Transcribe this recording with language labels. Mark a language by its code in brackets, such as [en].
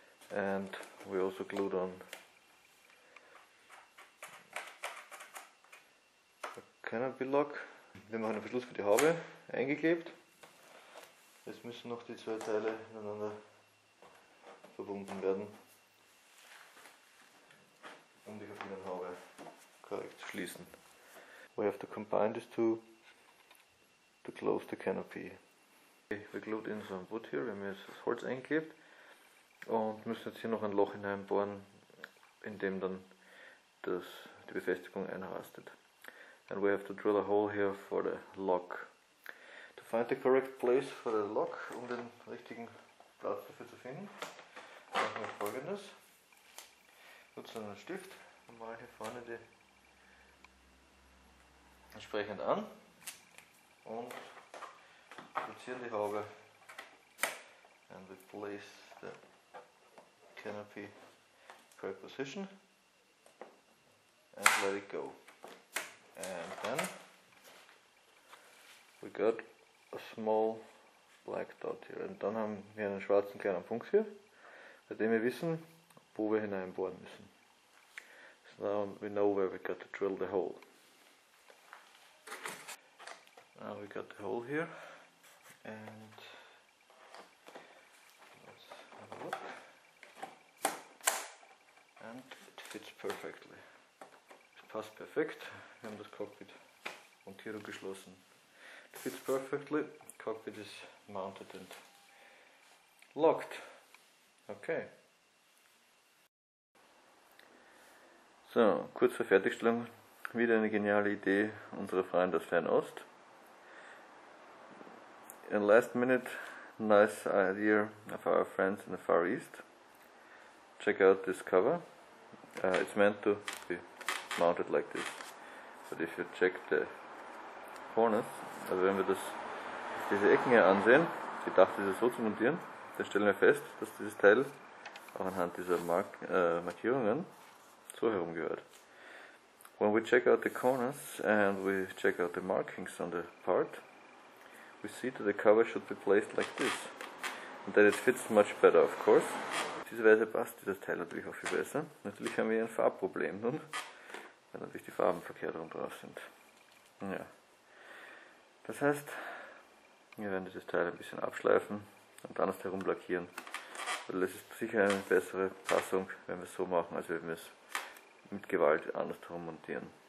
[en] And we also glued on a canopy lock. [de] Wir machen einen Verschluss für die Haube eingeklebt. Jetzt müssen noch die zwei Teile ineinander verbunden werden, um die verbundene Haube korrekt zu schließen. [en] We have to combine these two to close the canopy. Okay, we glued in some wood here, [de] wir haben jetzt das Holz eingeklebt und müssen jetzt hier noch ein Loch hineinbohren, in dem dann die Befestigung einrastet. And we have to drill a hole here for the lock. [en] To find the correct place for the lock, [de] um den richtigen Platz dafür zu finden, machen wir folgendes. Nutzen einen Stift und malen hier vorne die entsprechend an und platzieren die Haube [en] and we place the canopy correct position and let it go. And then we got a small black dot here. [de] Und dann haben wir einen schwarzen kleinen Punkt hier, bei dem wir wissen, wo wir hineinbohren müssen. [en] So now we know where we got to drill the hole. Now we got the hole here. And let's have a look. And it fits perfectly. [de] Es passt perfekt. Wir haben das Cockpit montiert und geschlossen. [en] It fits perfectly. Cockpit is mounted and locked. Okay. [de] So, kurz vor Fertigstellung. Wieder eine geniale Idee unserer Freunde aus Fernost. [en] And last minute, nice idea of our friends in the Far East. Check out this cover. It's meant to be mounted like this. But if you check the corners, [de] also wenn wir diese Ecken hier ansehen, die Dachdecke so zu montieren, dann stellen wir fest, dass dieses Teil auch anhand dieser Markierungen so herum gehört. [en] When we check out the corners and we check out the markings on the part, we see that the cover should be placed like this. And then it fits much better, of course. [de] Auf diese Weise passt dieses Teil natürlich auch viel besser. Natürlich haben wir hier ein Farbproblem nun, weil natürlich die Farben verkehrt rum drauf sind. Ja. Das heißt, wir werden dieses Teil ein bisschen abschleifen und dann herum lackieren. Weil es ist sicher eine bessere Passung, wenn wir es so machen, als wenn wir es mit Gewalt andersherum montieren.